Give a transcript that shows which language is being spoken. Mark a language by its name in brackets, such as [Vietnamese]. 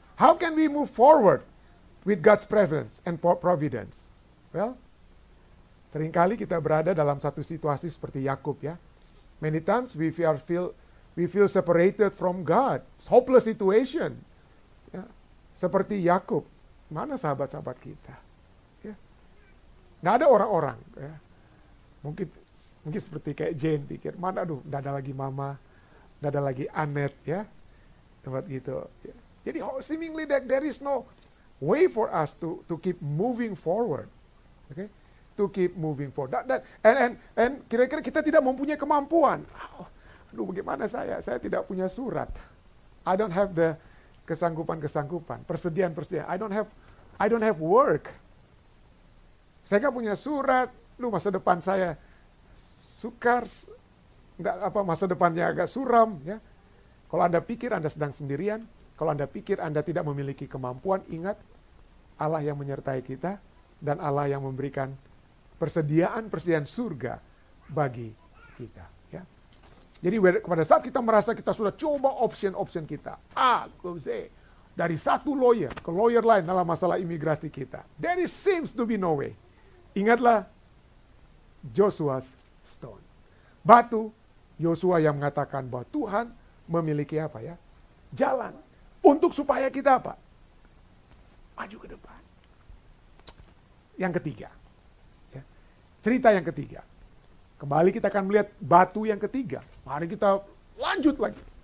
[English] How can we move forward with God's presence and providence? [Indonesian] Well, seringkali kita berada dalam satu situasi seperti Yakub ya. [English] Many times we feel separated from God. It's a hopeless situation. [Indonesian] Ya. Seperti Yakub. Mana sahabat-sahabat kita? Nggak ada orang-orang ya. mungkin seperti kayak Jane pikir mana aduh nggak ada lagi mama nggak ada lagi Annette ya tempat gitu ya. [English] Jadi seemingly that there is no way for us to keep moving forward, okay, to keep moving forward and [Indonesian] kira-kira kita tidak mempunyai kemampuan. Aduh, bagaimana saya tidak punya surat. [English] I don't have the [Indonesian] kesanggupan persediaan. [English] I don't have work. [Indonesian] Saya gak punya surat, lu masa depan saya sukar, enggak apa masa depannya agak suram ya. Kalau Anda pikir Anda sedang sendirian, kalau Anda pikir Anda tidak memiliki kemampuan, ingat Allah yang menyertai kita dan Allah yang memberikan persediaan-persediaan surga bagi kita ya. Jadi pada saat kita merasa kita sudah coba option-option kita, A, B, C, dari satu lawyer ke lawyer lain dalam masalah imigrasi kita, [English] there seems to be no way. [Indonesian] Ingatlah Joshua's stone. Batu Yosua yang mengatakan bahwa Tuhan memiliki apa ya? Jalan. Untuk supaya kita apa? Maju ke depan. Yang ketiga. Ya. Cerita yang ketiga. Kembali kita akan melihat batu yang ketiga. Mari kita lanjut lagi.